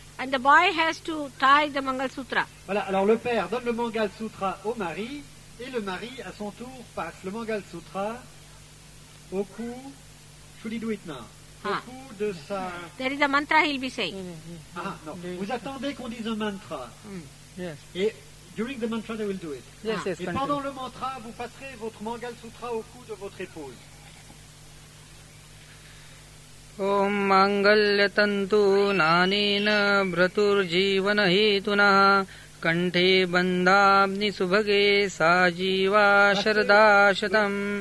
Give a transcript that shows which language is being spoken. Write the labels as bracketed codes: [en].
[en] And the boy has to tie the Mangal Sutra. [fr] Voilà. Alors le père donne le Mangal Sutra au mari. Et le mari, à son tour, passe le Mangal Sutra au cou. [en] Should he do it now? [fr] Au cou de sa. [en] There is a mantra he'll be saying. [fr] Vous attendez qu'on dise un mantra. [en] Yes. [fr] Et [en] during the mantra, they will do it. Yes. [fr] Et pendant le mantra, vous passerez votre Mangal Sutra au cou de votre épouse. [sa] ॐ मांगल्यतंतु नानीन भ्रतुर्जीवन हेतुना कंठे बंधाग्नि सुभगे साजीवा शरदाशतम.